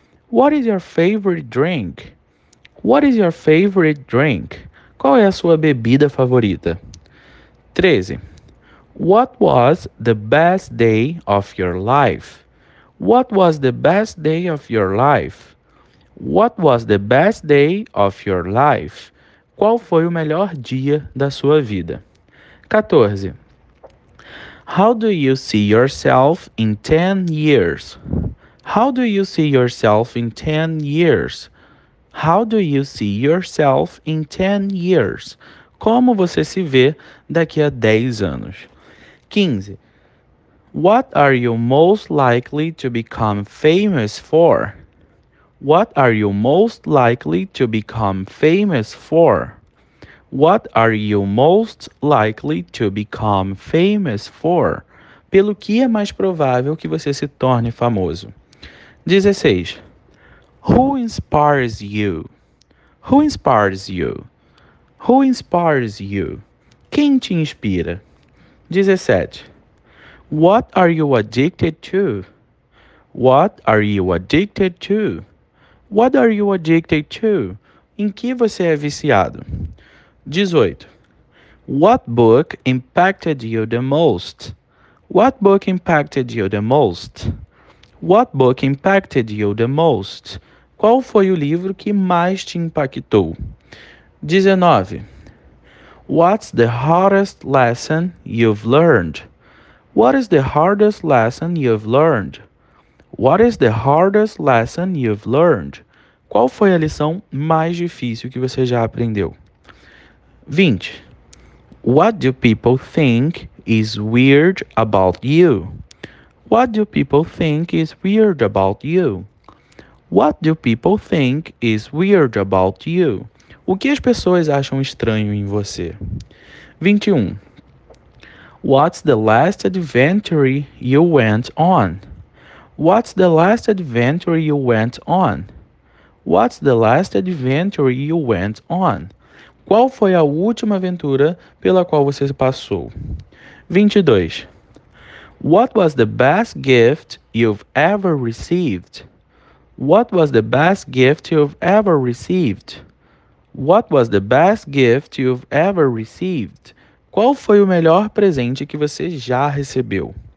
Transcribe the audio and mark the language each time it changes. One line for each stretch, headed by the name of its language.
English: What is your favorite drink? What is your favorite drink?
Portuguese: Qual é a sua bebida favorita? 13.
English: What was the best day of your life? What was the best day of your life? What was the best day of your life?
Portuguese: Qual foi o melhor dia da sua vida?
English: 14. How do you see yourself in 10 years? How do you see yourself in 10 years? How do you see yourself in 10 years?
Portuguese: Como você se vê daqui a 10 anos? 15.
English: What are you most likely to become famous for? What are you most likely to become famous for? What are you most likely to become famous for?
Portuguese: Pelo que é mais provável que você se torne famoso?
English: 16. Who inspires you? Who inspires you? Who inspires you?
Portuguese: Quem te inspira?
English: 17. What are you addicted to? What are you addicted to? What are you addicted to?
Portuguese: Em que você é viciado?
English: 18. What book impacted you the most? What book impacted you the most? What book impacted you the most?
Portuguese: Qual foi o livro que mais te impactou?
English: 19. What's the hardest lesson you've learned? What is the hardest lesson you've learned? What is the hardest lesson you've learned?
Portuguese: Qual foi a lição mais difícil que você já aprendeu? 20.
English: What do people think is weird about you? What do people think is weird about you? What do people think is weird about you?
Portuguese: O que as pessoas acham estranho em você?
English: 21. What's the last adventure you went on? What's the last adventure you went on? What's the last adventure you went on?
Portuguese: Qual foi a última aventura pela qual você passou? 22.
English: What was the best gift you've ever received? What was the best gift you've ever received? What was the best gift you've ever received?
Portuguese: Qual foi o melhor presente que você já recebeu?